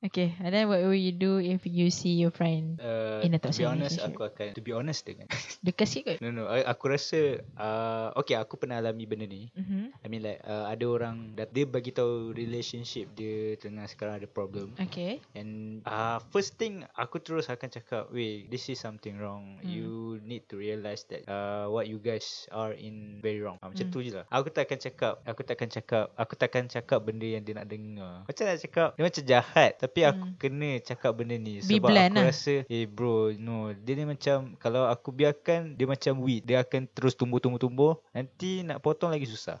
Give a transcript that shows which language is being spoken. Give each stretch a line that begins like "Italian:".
English: Okay, and then what will you do if you see your friend in a toxic relationship?
Malay: Aku akan,
English: to be honest dengan.
Malay: Dekat sikit kot.
English: No.
Malay: Aku rasa, okay, aku pernah alami benda ni.
English: I mean like,
Malay: ada orang dah, dia bagi tahu relationship dia tengah sekarang ada problem.
English: Okay. And first thing,
Malay: aku terus akan cakap,
English: wait, this is something wrong. You need to realize that what you guys are in very wrong.
Malay: Macam tu je lah. Aku takkan cakap benda yang dia nak dengar. Macam nak cakap, dia macam jahat. Tapi aku kena cakap benda ni. Sebab rasa,
English: hey bro, no.
Malay: Dia ni macam, kalau aku biarkan, dia macam weed. Dia akan terus tumbuh. Nanti nak potong lagi susah.